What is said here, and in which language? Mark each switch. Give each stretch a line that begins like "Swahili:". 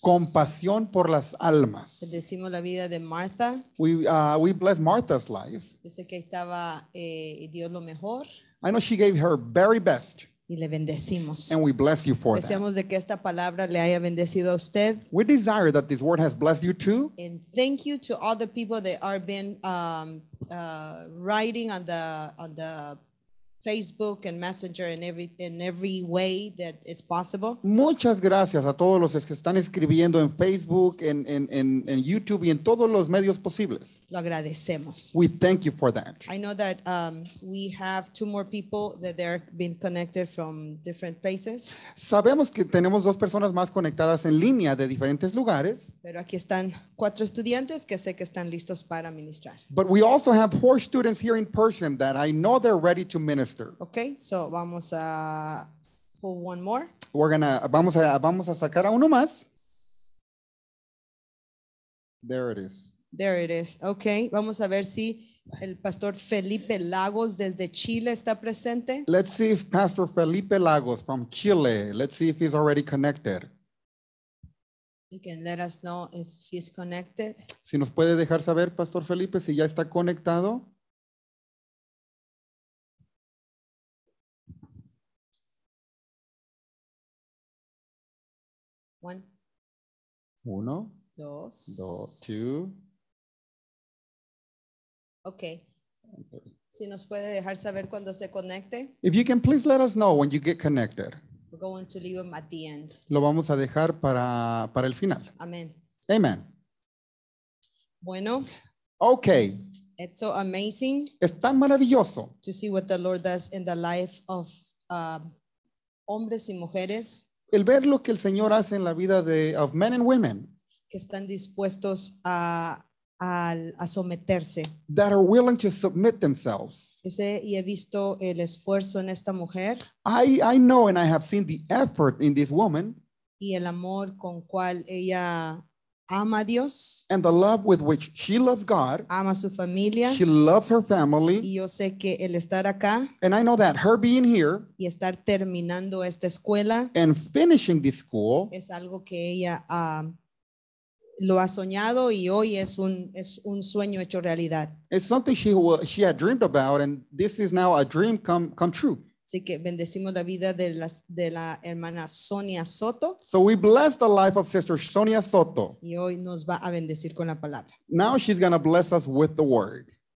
Spanish: Compasión por las almas. Bendecimos la vida de Martha.
English: We bless Martha's life.
Spanish: Dice que estaba y dio lo mejor.
English: I know she gave her very best.
Spanish: Y le bendecimos.
English: And we bless you for that.
Spanish: Deseamos de que esta palabra le haya bendecido a usted.
English: We desire that this word has blessed you too. And thank you to all the people that are been writing on the Facebook and Messenger and every way that is possible.
Spanish: Muchas gracias a todos los que están escribiendo en Facebook, en YouTube y en todos los medios posibles. Lo agradecemos.
English: We thank you for that. I know that we have two more people that they're being connected from different places.
Spanish: Sabemos que tenemos dos personas más conectadas en línea de diferentes lugares. Pero aquí están cuatro estudiantes que sé que están listos para ministrar.
English: But we also have four students here in person that I know they're ready to minister. Okay, so
Spanish: vamos a
English: pull one more.
Spanish: Vamos a sacar a uno más.
English: There it is. There it is. Okay,
Spanish: vamos a ver si el Pastor Felipe Lagos desde Chile está presente.
English: Let's see if Pastor Felipe Lagos from Chile, let's see if he's already connected. You can let us know if he's connected.
Spanish: Si nos puede dejar saber, Pastor Felipe, si ya está conectado.
English: One.
Spanish: Uno. Dos.
English: Two. Okay.
Spanish: Si nos puede dejar saber cuando se conecte.
English: If you can please let us know when you get connected. We're going to leave him at the end.
Spanish: Lo vamos a dejar para el final. Amen. Amen. Bueno.
English: Okay. It's so amazing.
Spanish: Es tan maravilloso.
English: To see what the Lord does in the life of
Spanish: hombres y mujeres. El ver lo que el Señor hace en la vida de
English: of men and women
Spanish: que están dispuestos a someterse,
English: that are willing to submit themselves.
Spanish: Yo sé y he visto el esfuerzo en esta mujer.
English: I know and I have seen the effort in this woman,
Spanish: y el amor con cual ella ama a Dios,
English: and the love with which she loves God,
Spanish: ama su familia,
English: she loves her family,
Spanish: y yo sé que el estar acá,
English: and I know that her being here,
Spanish: y estar terminando esta escuela,
English: and finishing this school,
Spanish: es algo que ella lo ha soñado, y hoy es un sueño hecho realidad.
English: It's something she had dreamed about, and this is now a dream come true.
Spanish: Así que bendecimos la vida de la hermana Sonia Soto.
English: So we bless the life of Sister Sonia Soto.
Spanish: Y hoy nos va a bendecir con la palabra.
English: Now she's going to bless us with the word.